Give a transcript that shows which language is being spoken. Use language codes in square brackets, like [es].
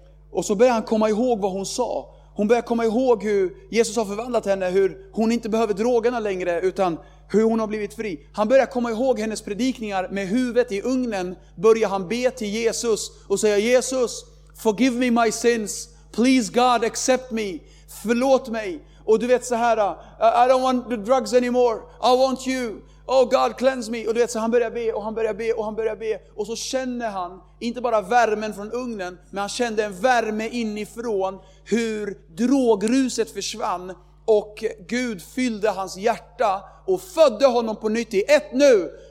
[sv] Och så börjar han komma ihåg vad hon sa. Hon börjar komma ihåg hur Jesus har förvandlat henne, hur hon inte behöver drogerna längre utan hur hon har blivit fri. Han börjar komma ihåg hennes predikningar. Med huvudet i ugnen börjar han be till Jesus och säga, Jesus, [en] forgive me my sins. Please God, accept me. [sv] Förlåt mig. Och du vet så här, [en] I don't want the drugs anymore. I want you. Oh God, cleanse me. [sv] Och du vet så han börjar be och han börjar be och han börjar be. Och så känner han, inte bara värmen från ugnen, men han kände en värme inifrån hur drogruset försvann. Och Gud fyllde hans hjärta och födde honom på nytt i ett nu.